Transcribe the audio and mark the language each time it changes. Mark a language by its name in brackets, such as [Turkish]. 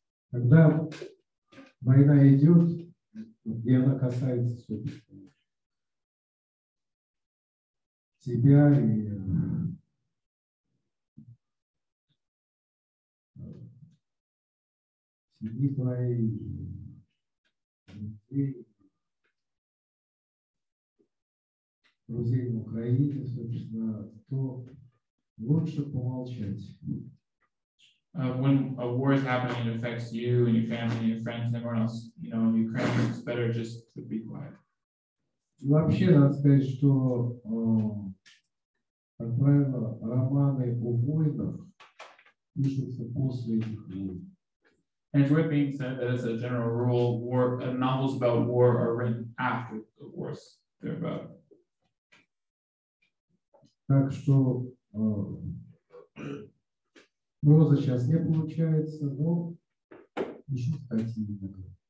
[Russian] Когда война идет, и она касается собственно тебя и семьи твоей, людей. Друзей в Украине, собственно, то лучше помолчать. [English] When a war is happening and affects you and your family, your friends, and everyone else, you know, in Ukraine, it's better just to be quiet. [Russian] Вообще, надо сказать, что, как правило, романы о войнах пишутся после этих войн. [English] And it's worth being said that as a general rule, war novels about war are written after the wars they're about. [Russian] Так что проза сейчас не получается, но еще статьи иногда.